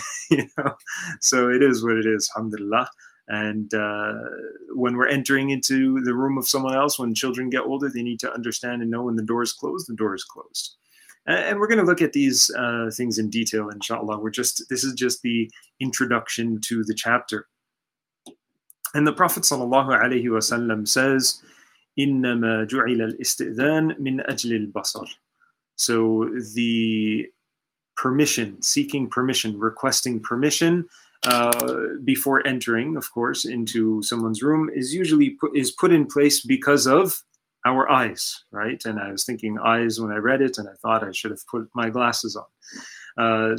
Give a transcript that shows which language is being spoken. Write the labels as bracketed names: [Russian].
[English] You know, so it is what it is, alhamdulillah. And when we're entering into the room of someone else, when children get older, they need to understand and know when the door is closed, the door is closed. And we're going to look at these things in detail, inshallah. This is just the introduction to the chapter. And the Prophet ﷺ says, [Arabic] إنما جعل الاستئذان من أجل البصر. [English] So the permission, seeking permission, requesting permission before entering, of course, into someone's room is usually put in place because of our eyes, right? And I was thinking eyes when I read it, and I thought I should have put my glasses on.